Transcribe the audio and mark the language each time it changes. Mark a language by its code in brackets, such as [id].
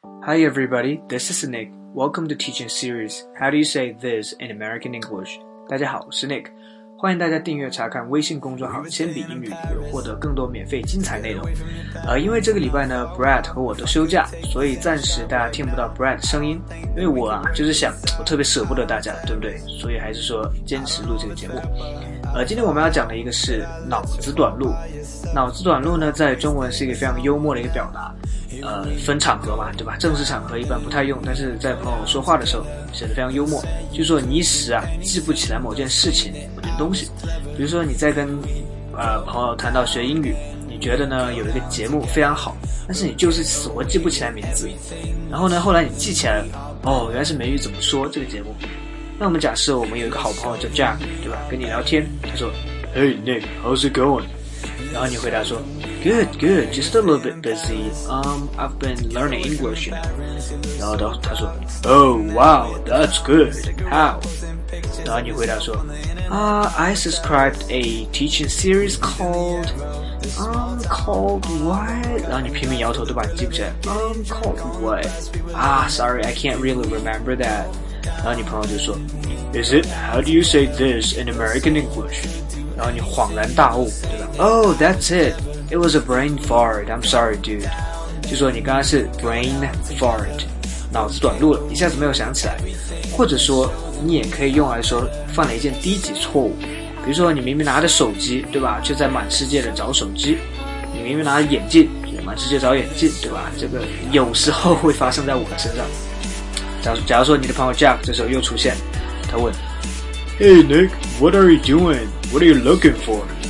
[en] Hi everybody, this is Nick. Welcome to teaching series. How do you say this in American English? [zh] 大家好，我是 Nick。欢迎大家订阅查看微信公众号铅笔英语，获得更多免费精彩内容。因为这个礼拜呢 ，Brad 和我都休假，所以暂时大家听不到 Brad 的声音。因为我啊，就是想，我特别舍不得大家，对不对？所以还是说坚持录这个节目。今天我们要讲的一个是脑子短路。脑子短路呢，在中文是一个非常幽默的一个表达。分场合嘛，对吧？正式场合一般不太用，但是在朋友说话的时候显得非常幽默。就说你一时啊记不起来某件事情、某件东西，比如说你在跟朋友谈到学英语，你觉得呢有一个节目非常好，但是你就是死活记不起来名字。然后呢，后来你记起来了，哦，原来是美语怎么说这个节目。那我们假设我们有一个好朋友叫 Jack， 对吧？跟你聊天，他说 [en] ：“Hey Nick, how's it going？” [zh] 然后你回答说。 [en] Good, good, just a little bit busy. I've been learning English. [zh] 然后他说 [en] Oh, wow, that's good. How? [zh] 然后你回答说 [en] I subscribed a teaching series called called what? [zh] 然后你拼命摇头对吧你记不起来 [en] called what? Sorry, I can't really remember that. [zh] 然后你朋友就说 [en] Is it? How do you say this in American English? [zh] 然后你恍然大悟对吧 [en] Oh, that's it. It was a brain fart. I'm sorry, dude. [zh] 就说你刚刚是 brain fart, 脑子短路了，一下子没有想起来。或者说，你也可以用来说犯了一件低级错误。比如说，你明明拿着手机，对吧？却在满世界的找手机。你明明拿着眼镜，满世界找眼镜，对吧？这个有时候会发生在我身上。假如说你的朋友 Jack 这时候又出现，他问 [en] ：“Hey Nick, what are you doing? What are you looking for?”